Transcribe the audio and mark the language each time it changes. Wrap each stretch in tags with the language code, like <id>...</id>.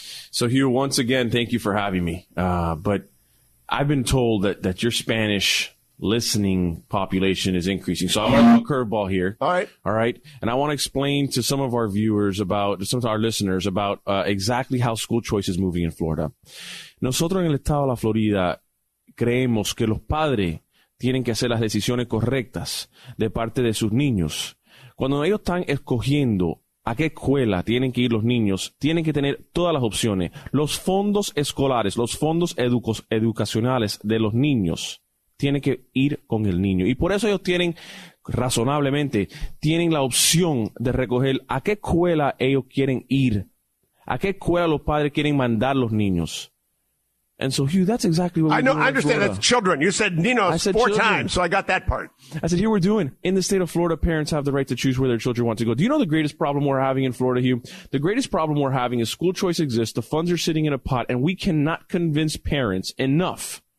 <en>So, Hugh, once again, thank you for having me. But I've been told that your Spanish listening population is increasing. So I'm going to throw a curveball here. All right. And I want to explain to some of our viewers about, some of our listeners about exactly how school choice is moving in Florida.</en> <es>Nosotros en el estado de la Florida creemos que los padres tienen que hacer las decisiones correctas de parte de sus niños. Cuando ellos están escogiendo a qué escuela tienen que ir los niños, tienen que tener todas las opciones. Los fondos escolares, los fondos educacionales de los niños tiene que ir con el niño. Y por eso ellos tienen, razonablemente, tienen la opción de recoger a qué escuela ellos quieren ir, a qué escuela los padres quieren mandar los niños.</es> <en>And so, Hugh, that's exactly what we're doing. I know, I understand. That's children. You said Ninos four children. Times, so I got that part. I said, here we're doing. In the state of Florida, parents have the right to choose where their children want to go. Do you know the greatest problem we're having in Florida, Hugh? The greatest problem we're having is school choice exists, the funds are sitting in a pot, and we cannot convince parents enough.</en>